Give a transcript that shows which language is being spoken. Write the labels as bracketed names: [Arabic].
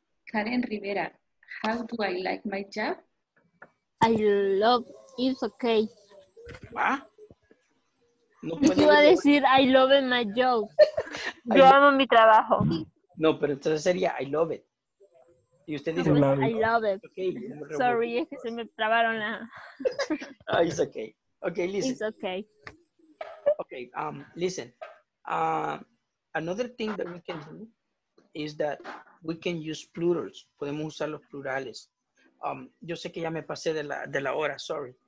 [English] Karen Rivera, how do I like my job? I love it's okay. ¿Ah? [Spanish] No puedo decir. Iba a decir [English] I love it, my job. [Spanish] Yo amo mi trabajo. No, pero entonces sería [English] I love it. [Spanish] Y usted dice, [English] I love it. Okay, sorry, [Spanish] es que se me trabaron la... [English] Oh, it's okay. Okay, listen. It's okay. Okay, listen. Another thing that we can do is that we can use plurals. [Spanish] Podemos usar los plurales. Yo sé que ya me pasé de la hora, sorry.